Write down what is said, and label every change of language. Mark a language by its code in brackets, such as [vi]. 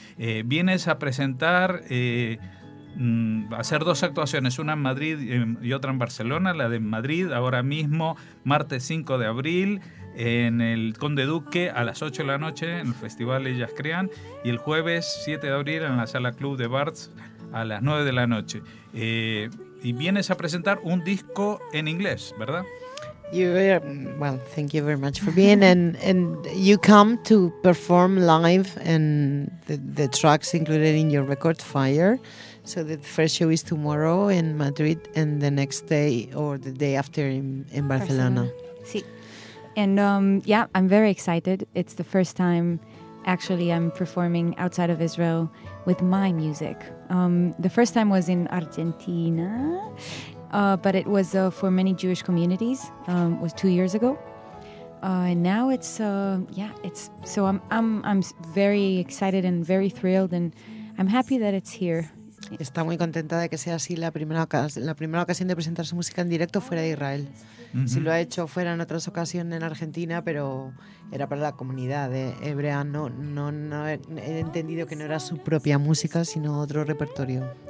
[es] Vienes a presentar, a hacer dos actuaciones, una en Madrid y otra en Barcelona, la de Madrid ahora mismo, martes 5 de abril, en el Conde Duque a las 8 de la noche, en el Festival Ellas Crean, y el jueves 7 de abril en la Sala Club de Barts a las 9 de la noche. Y vienes a presentar un disco en inglés, ¿verdad? [en] Well, thank you very much for being and you come to perform live in the tracks included in your record Fire. So the first show is tomorrow in Madrid and the next day or the day after in Barcelona. Sí. And yeah, I'm very excited. It's the first time actually I'm performing outside of Israel with my music. The first time was in Argentina, but it was for many Jewish communities. Was 2 years ago, and now it's it's so I'm very excited and very thrilled, and I'm happy that it's here. [es] Está muy contenta de que sea así la primera ocasión de presentar su música en directo fuera de Israel. Mm-hmm. Si lo ha hecho fuera en otras ocasiones en Argentina, pero era para la comunidad hebrea. No he entendido que no era su propia música, sino otro repertorio.